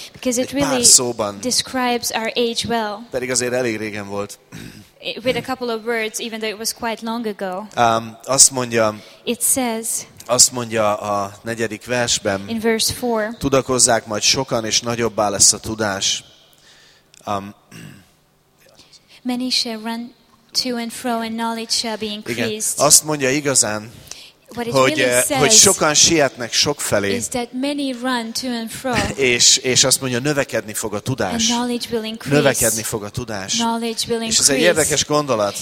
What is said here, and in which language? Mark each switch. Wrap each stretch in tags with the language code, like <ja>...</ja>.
<en>Because it really describes our age well.</en> <hu>Pedig azért elég régen volt.</hu> <en>With a couple of words, even though it was quite long ago.</en> <hu>Azt mondja.</hu> <en>It says.</en> <hu>Azt mondja a negyedik versben,</hu> <en>in verse 4,</en> <hu>tudakozzák majd sokan, és nagyobbá lesz a tudás.</hu> <en>Many shall run to and fro, and knowledge shall be increased.</en> <hu>Igen. Azt mondja igazán, hogy sokan sietnek sokfelé.</hu> <en>Is that many run to and fro?</en> <hu>És azt mondja, növekedni fog a tudás.</hu> <en>And knowledge will increase.</en> <hu>Növekedni fog a tudás.</hu> <en>Knowledge will increase.</en> <hu>És ez egy érdekes gondolat.</hu>